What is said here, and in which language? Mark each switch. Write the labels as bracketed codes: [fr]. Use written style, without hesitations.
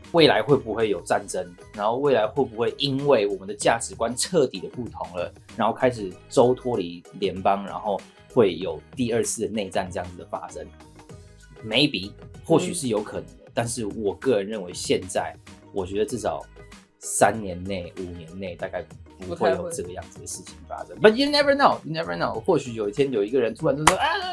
[zh] 未来会不会有战争？然后未来会不会因为我们的价值观彻底的不同了，然后开始州脱离联邦，然后会有第二次的内战这样子的发生 ？ [en] Maybe， [zh] 或许是有可能的。但是我个人认为，现在我觉得至少三年内、五年内大概。不会有这个样子的事情发生 ， [en] But you never know, [zh] you never know。或许有一天有一个人突然就说啊，